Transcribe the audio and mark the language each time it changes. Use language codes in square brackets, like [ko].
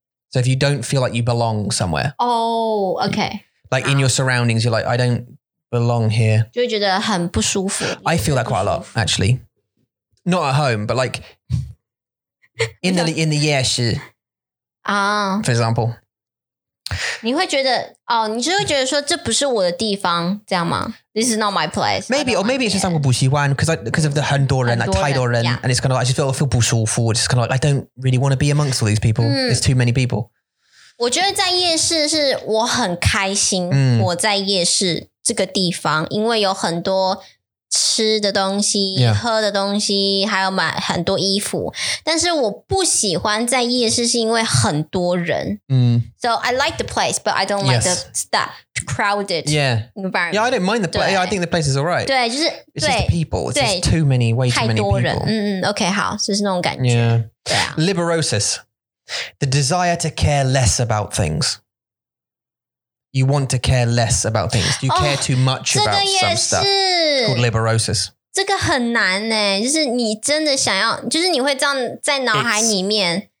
[en] So if you don't feel like you belong somewhere. Oh, okay. Like in your surroundings, you're like, I don't belong here. [zh] 就会觉得很不舒服。 [en] I feel that quite a lot, actually. Not at home, but like in the 夜市, for example. [zh] 你会觉得,哦,你就会觉得说这不是我的地方,这样吗? [en] This is not my place. Maybe, or maybe it's just [zh] 我不喜欢, [en] because of the 很多人, like [zh] 太多人, [en] and it's kind of like, I feel [zh] 不舒服, [en] it's kind of like, I don't really want to be amongst all these people. There's too many people. [zh] 我觉得在夜市是我很开心我在夜市这个地方,因为有很多吃的东西,喝的东西,还有买很多衣服。但是我不喜欢在夜市是因为很多人。 [en] So I like the place, but I don't like the stuff. Crowded environment. Yeah, I don't mind the place. I think the place is all right. [zh] 对，就是 [en] It's just the people. It's just too many, way too many people. [zh] 太多人。OK, 好，就是那种感觉。 [en] Yeah. Liberosis. The desire to care less about things. You want to care less about things. You care too much about some stuff. It's called liberosis. [zh] 这个很难耶，就是你真的想要，就是你会这样在脑海里面。